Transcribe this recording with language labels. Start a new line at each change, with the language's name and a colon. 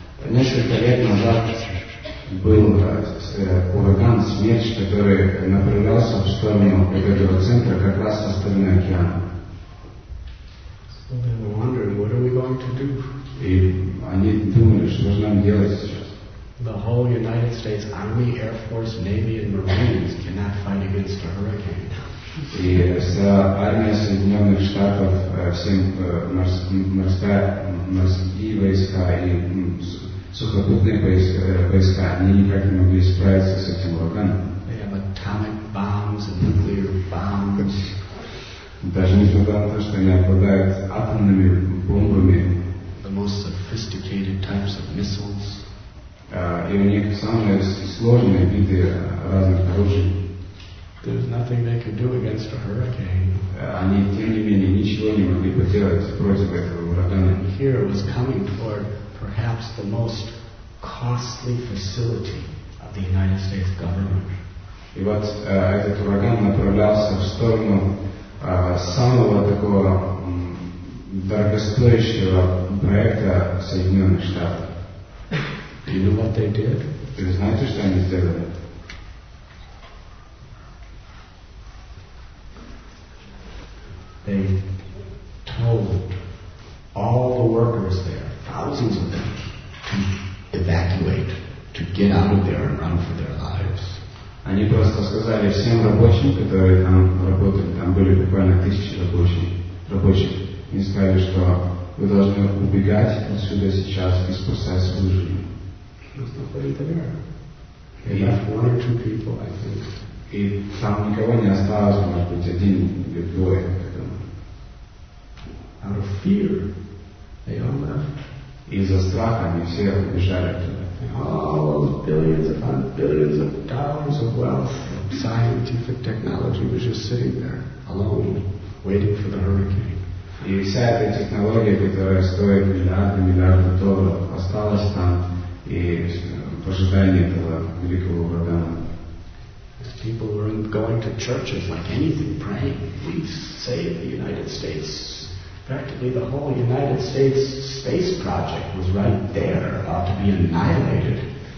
Russian: Несколько лет назад был ураган смерч, который направлялся в сторону этого центра, как раз со стороны океана.
English: So they were wondering, what are we going to do?
Russian: И они думали, что же нам делать сейчас.
English: The whole United States Army, Air Force, Navy and Marines cannot fight against a hurricane.
Russian: И вся армия Соединенных Штатов, всем морские войска и сухопутные войска, они никак не могли справиться с этим ураганом.
English: They have atomic bombs and nuclear bombs.
Russian: Даже несмотря на то, что они обладают атомными бомбами.
English: The most sophisticated types of missiles.
Russian: И у них самые сложные виды разных оружий.
English: There's nothing they can do against a hurricane.
Russian: Они, тем не менее, ничего не могли поделать против этого урагана.
English: And here was coming for perhaps the most costly facility of the United States government.
Russian: И вот этот ураган направлялся в сторону самого такого дорогостоящего проекта Соединенных Штатов.
English: Do you know what they did?
Russian: Вы знаете, что они сделали?
English: They told all the workers there, thousands of them, to evacuate, to get out of there and run for their lives.
Russian: Они просто сказали всем рабочим, которые там работали, там были буквально тысячи рабочих, и сказали, что вы должны убегать отсюда сейчас и спасать свою жизнь.
English: one or two people, I think.
Russian: И там никого не осталось, может быть, один или двое, я думаю.
English: Out of fear, they all left.
Russian: Из-за страха они все убежали туда.
English: All those billions upon billions of dollars of wealth, of scientific technology was just sitting there, alone, waiting for the hurricane.
Russian: И вся эта технология, которая стоит миллиарды, миллиарды долларов, осталась там, и в ожидании этого великого урагана.
English: People were going to churches like anything, praying, please save the United States. Practically the whole United States space project was right there, about to be annihilated.